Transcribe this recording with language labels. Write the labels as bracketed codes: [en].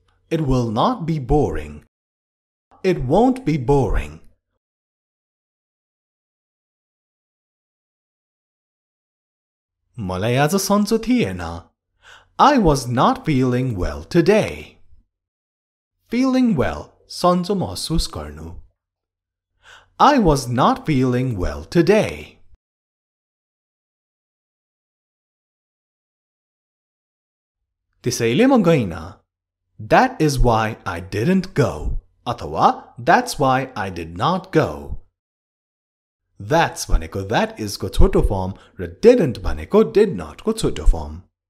[en] it will not be boring it won't be boring [ne] मलाई आज सन्चो थिएन [en] I was not feeling well today. Feeling well, [ne] सन्चो महसुस गर्नु. [en] I was not feeling well today. [ne] त्यसैले म गइन. [en] That is why I didn't go. अथवा, that's why I did not go. That's [ne] भनेको [en] that is [ne] को छोटो [en] form र didn't भनेको did not को छोटो form.